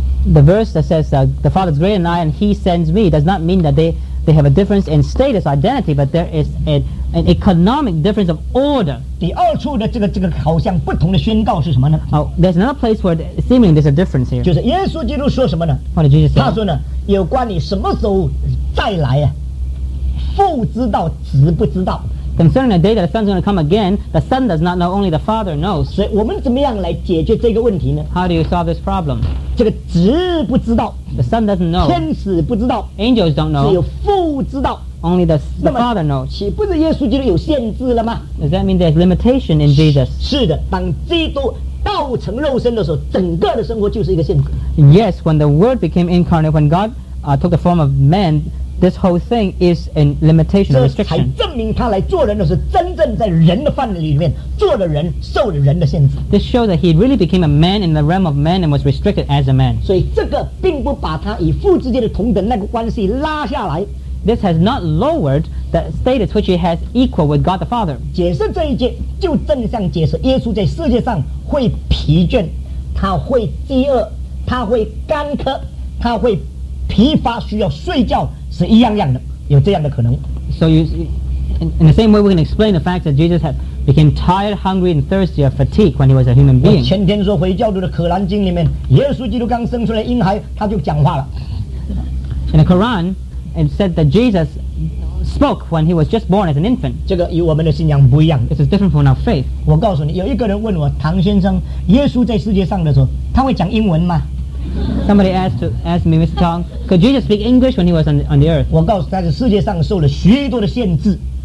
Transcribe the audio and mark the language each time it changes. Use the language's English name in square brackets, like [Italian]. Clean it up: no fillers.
[English] The verse that says the Father is greater than I and He sends me does not mean that they have a difference in status or identity, but there is an economic difference of order. [Chinese] 第二处的这个好像不同的宣告是什么呢？ [English] Oh, there's another place where seemingly there's a difference here. [Chinese] 就是耶稣基督说什么呢？ [English] What did Jesus say? [Chinese] 他说呢，有关你什么时候再来啊，父知道，子不知道。 [English] Concerning the day that the Son is going to come again, the Son does not know, only the Father knows. [Chinese] 所以我们怎么样来解决这个问题呢？ [English] How do you solve this problem? [Chinese] 这个子不知道。 [English] The Son doesn't know. [Chinese] 天使不知道。 [English] Angels don't know. [Chinese] 只有父知道。 [English] Only the Father knows. [Chinese] 岂不是耶稣基督有限制了吗？ [English] Does that mean there's limitation in Jesus? [Chinese] 是的，当基督道成肉身的时候，整个的生活就是一个限制。 [English] Yes, when the Word became incarnate, when God took the form of man,This whole thing is a limitation, a restriction. [Chinese] 这才证明他来做人的是真正在人的范围里面做了人，受了人的限制。 [English] This shows that he really became a man in the realm of man and was restricted as a man. [Chinese] 所以这个并不把他与父之间的同等那个关系拉下来。 [English] This has not lowered the status which he has equal with God the Father. [Chinese] 解释这一节就正向解释耶稣在世界上会疲倦，他会饥饿，他会干咳，他会疲乏，需要睡觉，是一样样的，有这样的可能。 [English] So you, in the same way, we can explain the fact that Jesus had became tired, hungry, and thirsty, or fatigued when he was a human being. [Chinese] 我前天说回教徒的《可兰经》里面，耶稣基督刚生出来婴孩，他就讲话了。 [English] In the Quran, it said that Jesus spoke when he was just born as an infant. [Chinese] 这个与我们的信仰不一样。 [English] This is different from our faith. [Chinese] 我告诉你，有一个人问我，唐先生，耶稣在世界上的时候，他会讲英文吗？ [English] Somebody asked me, Mr. Tong, could Jesus speak English when he was on the earth? [Chinese] 我告诉他是世界上受了许多的限制。